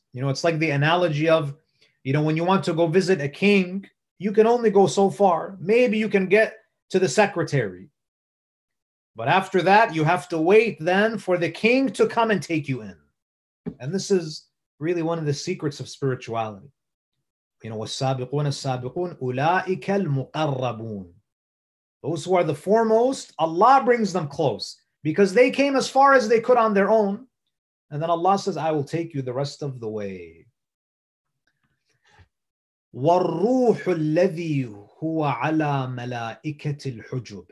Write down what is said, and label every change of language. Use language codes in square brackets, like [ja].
[en] You know, it's like the analogy of, you know, when you want to go visit a king, you can only go so far. Maybe you can get to the secretary. But after that, you have to wait then for the king to come and take you in. And this is really one of the secrets of spirituality. You know, [ar] وَالسَّابِقُونَ السَّابِقُونَ أُولَٰئِكَ الْمُقَرَّبُونَ. [en] Those who are the foremost, Allah brings them close. Because they came as far as they could on their own. And then Allah says, I will take you the rest of the way. [ar] وَالرُّوحُ الَّذِي هُوَ عَلَىٰ مَلَائِكَةِ الْحُجُبِ.